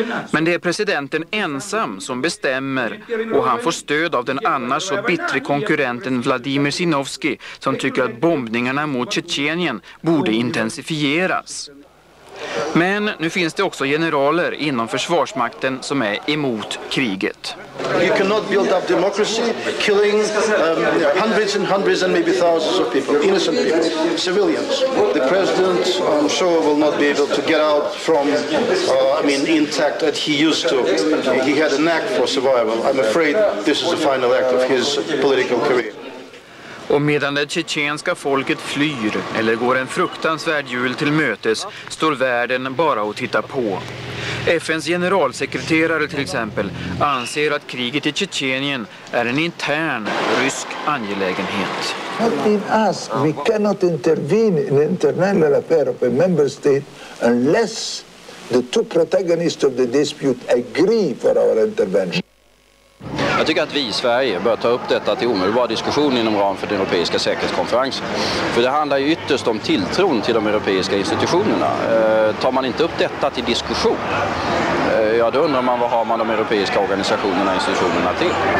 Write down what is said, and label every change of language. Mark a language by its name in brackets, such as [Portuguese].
[Swedish] Men det är presidenten ensam som bestämmer och han får stöd av den annars så bittre konkurrenten Vladimir Sinovsky som tycker att bombningarna mot Tjetjenien borde intensifieras. Men nu finns det också generaler inom försvarsmakten som är emot kriget. [English] You cannot build up democracy killing hundreds and hundreds and maybe thousands of people, innocent people, civilians. The president, I'm sure, will not be able to get out from intact that he used to. He had a knack for survival. I'm afraid this is the final act of his political career. [Swedish] Och medan det tjetjenska folket flyr eller går en fruktansvärd jul till mötes står världen bara och tittar på. FNs generalsekreterare till exempel anser att kriget i Tjetjenien är en intern rysk angelägenhet. [English] Not in us. We cannot intervene in internal affair of a member state unless the two protagonists of the dispute agree for our intervention. [Swedish] Jag tycker att vi i Sverige bör ta upp detta till omedelbar diskussion inom ramen för den europeiska säkerhetskonferensen. För det handlar ju ytterst om tilltron till de europeiska institutionerna. Tar man inte upp detta till diskussion, då undrar man vad har man de europeiska organisationerna och institutionerna till?